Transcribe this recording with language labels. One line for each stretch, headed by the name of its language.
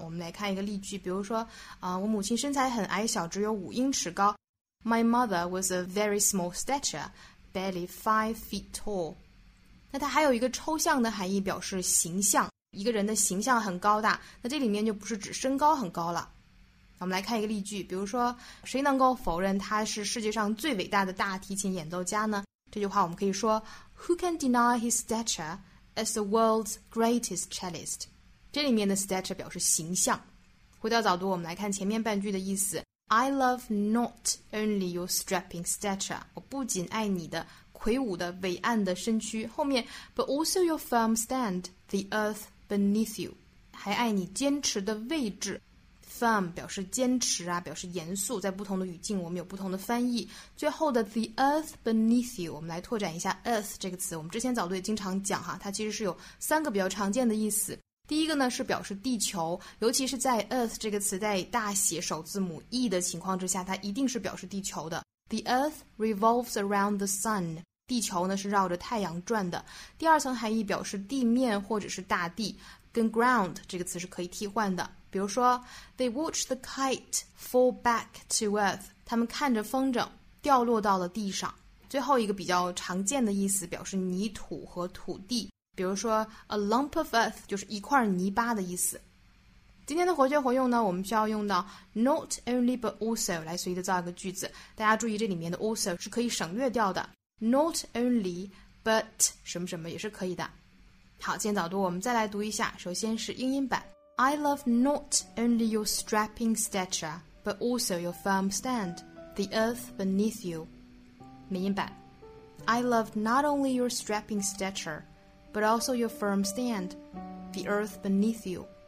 Chinese: 我们来看一个例句，比如说我母亲身材很矮小只有五英尺高，
English: My mother was a very small stature barely 5 feet tall。
Chinese: 那它还有一个抽象的含义，表示形象，一个人的形象很高大，那这里面就不是指身高很高了。我们来看一个例句，比如说谁能够否认他是世界上最伟大的大提琴演奏家呢？这句话我们可以说
English: Who can deny his stature as the world's greatest cellist，
Chinese: 这里面的 stature 表示形象。回到早读，我们来看前面半句的意思。
English: I love not only your strapping stature，
Chinese: 我不仅爱你的魁梧的伟岸的身躯，
English: 后面 but also your firm stand the earth beneath you，
Chinese: 还爱你坚持的位置。 Firm 表示坚持啊，表示严肃，在不同的语境我们有不同的翻译。最后的
English: the earth beneath you，
Chinese: 我们来拓展一下 earth 这个词。我们之前早读也经常讲哈，它其实是有三个比较常见的意思。第一个呢是表示地球，尤其是在 earth 这个词在大写首字母 e 的情况之下，它一定是表示地球的。
English: The earth revolves around the sun，
Chinese: 地球呢是绕着太阳转的。第二层含义表示地面或者是大地，跟 ground 这个词是可以替换的。
English: 比如说 They watch the kite fall back to earth.
Chinese: 他们看着风筝掉落到了地上。最后一个比较常见的意思表示泥土和土地。比如说
English: A lump of earth
Chinese: 就是一块泥巴的意思。今天的活学活用呢，我们需要用到 not only but also 来随意的造一个句子。大家注意这里面的 also 是可以省略掉的。Not only but 什么什么也是可以的。好，今天早读我们再来读一下。首先是英音版。
English: I love not only your strapping stature, but also your firm stand, the earth beneath you.
Chinese: 美音版。
English: I love not only your strapping stature, but also your firm stand, the earth beneath you.